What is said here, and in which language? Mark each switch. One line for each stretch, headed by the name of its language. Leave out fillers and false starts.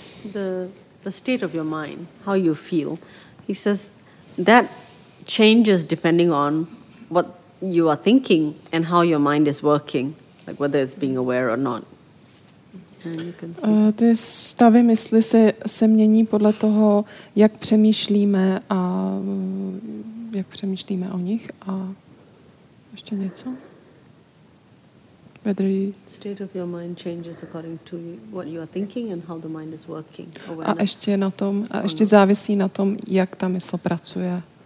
English: The state of your mind, how you feel, he says that changes depending on what you are thinking and how your mind is working, like whether it's being aware or not.
Czech: Ty stavy mysli se mění podle toho, jak přemýšlíme a jak přemýšlíme o nich. A ještě něco?
English: Whether state of your mind changes according to what you are thinking and how the mind is working.
Czech: A ještě na tom, a ještě závisí na tom, jak ta mysl pracuje.